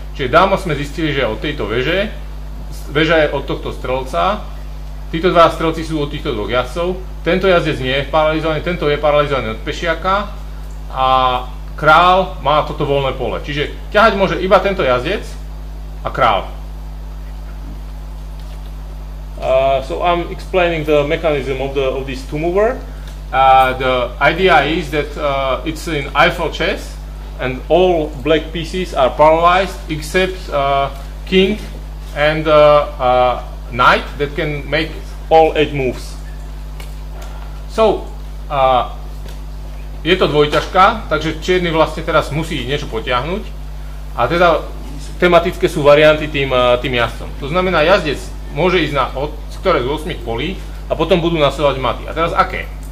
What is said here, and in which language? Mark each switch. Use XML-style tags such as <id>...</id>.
<sk>Čiže dámo sme zistili, že od tejto veže, veža je od tohto strelca, títo dva strelci sú od týchto dvoch jazdcov, tento jazdec nie je paralizovaný, tento je paralizovaný od pešiaka a král má toto voľné pole. Čiže ťahať môže iba tento jazdec a král.</sk> <en>So I'm explaining the mechanism of this two mover. The idea is that it's in Eiffel chess, and all black pieces are paralyzed except king and knight that can make all 8 moves. So,</en> <sk>je to dvojťažka, takže čierny vlastne teraz musí niečo potiahnuť. A teda tematické sú varianty tým jazdcom. To znamená, jazdec môže ísť na ktoré z 8 polí a potom budú nasledovať maty. A teraz aké?</sk>